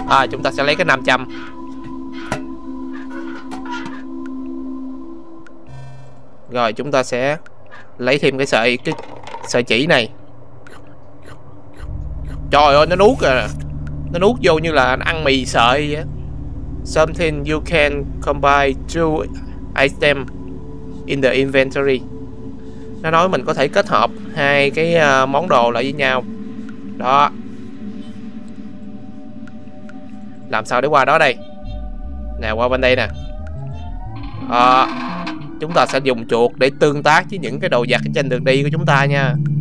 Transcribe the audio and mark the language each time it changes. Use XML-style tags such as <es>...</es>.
<vi>Chúng ta sẽ lấy cái 500. Rồi chúng ta sẽ lấy thêm cái sợi chỉ này. Trời ơi, nó nuốt à. Nó nuốt vô như là ăn mì sợi vậy.</vi> <en>Something you can combine two items in the inventory.</en> <vi>Nó nói mình có thể kết hợp hai cái món đồ lại với nhau. Đó. Làm sao để qua đó đây? Nè, qua bên đây nè. Chúng ta sẽ dùng chuột để tương tác với những cái đồ vật trên đường đi của chúng ta nha.</vi>